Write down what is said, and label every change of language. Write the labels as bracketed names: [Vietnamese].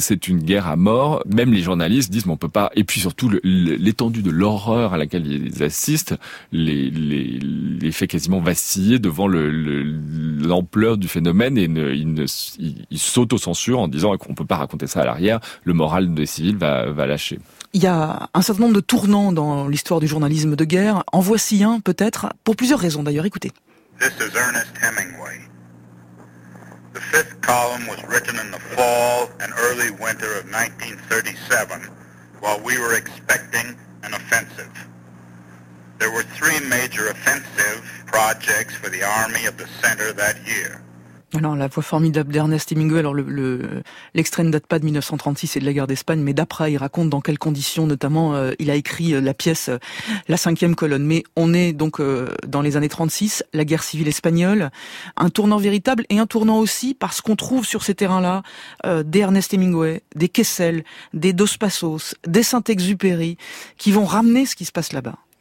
[French] C'est une guerre à mort. Même les journalistes disent, mais on peut pas. Et puis surtout, l'étendue de l'horreur à laquelle ils assistent les fait quasiment vaciller devant l'ampleur du phénomène et ils s'auto-censurent en disant qu'on peut pas raconter ça à l'arrière. Le moral des civils va lâcher. Il y a un certain nombre de tournants dans l'histoire du journalisme de guerre. En voici un, peut-être, pour plusieurs raisons d'ailleurs. Écoutez. [English] This is Ernest Hemingway. The fifth column was written in the fall and early winter of 1937 while we were expecting an offensive. There were three major offensive projects for the Army of the Center that year. [French] Alors, la voix formidable d'Ernest Hemingway, alors l'extrait ne date pas de 1936 et de la guerre d'Espagne, mais d'après, il raconte dans quelles conditions, notamment, il a écrit la pièce La cinquième colonne. Mais on est donc dans les années 36, la guerre civile espagnole, un tournant véritable et un tournant aussi parce qu'on trouve sur ces terrains-là des Ernest Hemingway, des Kessel, des Dos Passos, des Saint-Exupéry, qui vont ramener ce qui se passe là-bas.